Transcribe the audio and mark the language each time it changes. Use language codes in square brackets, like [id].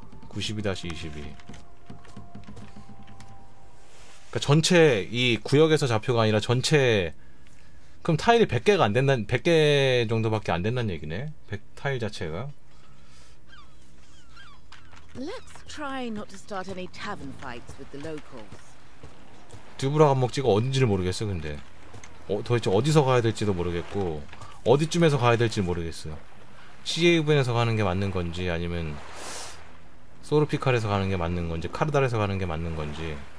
[ko] 92-22. 그러니까 전체 이 구역에서 좌표가 아니라 전체. 그럼 타일이 100개가 안 된다는, 100개 정도밖에 안 된다는 얘기네. 100 타일 자체가. [en] Let's try not to start any tavern fights with the locals. [ko] 드브라 관목지가 어딘지를 모르겠어. 근데 어, 도대체 어디서 가야 될지도 모르겠고, 어디쯤에서 가야 될지 모르겠어. CAV에서 가는 게 맞는 건지, 아니면 소르피칼에서 가는 게 맞는 건지, 카르달에서 가는 게 맞는 건지.